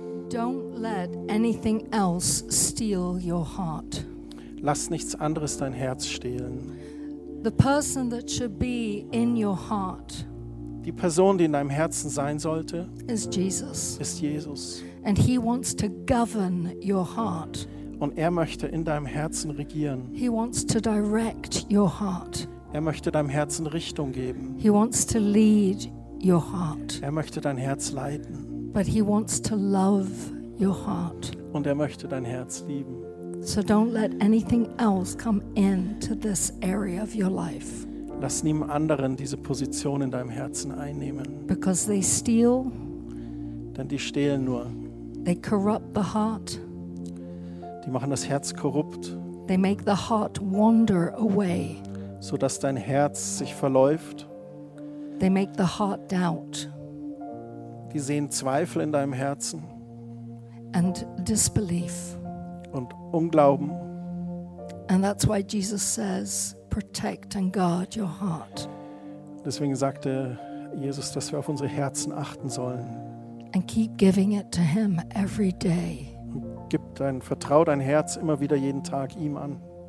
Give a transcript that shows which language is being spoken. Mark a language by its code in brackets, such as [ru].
[en] Don't let anything else steal your heart. [de] Lass nichts anderes dein Herz stehlen. [en] The person that should be in your heart. [de] Die Person, die in deinem Herzen sein sollte, [en] is Jesus. [de] Ist Jesus. [en] And he wants to govern your heart. [de] Und er möchte in deinem Herzen regieren. [en] He wants to direct your heart. [de] Er möchte deinem Herzen Richtung geben. [en] He wants to lead your heart. [de] Er möchte dein Herz leiten. [en] But he wants to love your heart. [de] Und er möchte dein Herz lieben. [en] So don't let anything else come into this area of your life. [de] Lass niemand anderen diese Position in deinem Herzen einnehmen. [en] Because they steal. [de] Denn die stehlen nur. [en] They corrupt the heart. [de] Die machen das Herz korrupt. [en] They make the heart wander away. [de] So dass dein Herz sich verläuft. [en] They make the heart doubt. [de] Die sehen Zweifel in deinem Herzen. [en] And disbelief. [de] Und Unglauben. [en] And that's why Jesus says, protect and guard your heart. [de] Deswegen sagte Jesus, dass wir auf unsere Herzen achten sollen. [en] And keep giving it to him every day. [de] Und gib dein Vertrau, dein Herz immer wieder jeden Tag ihm an.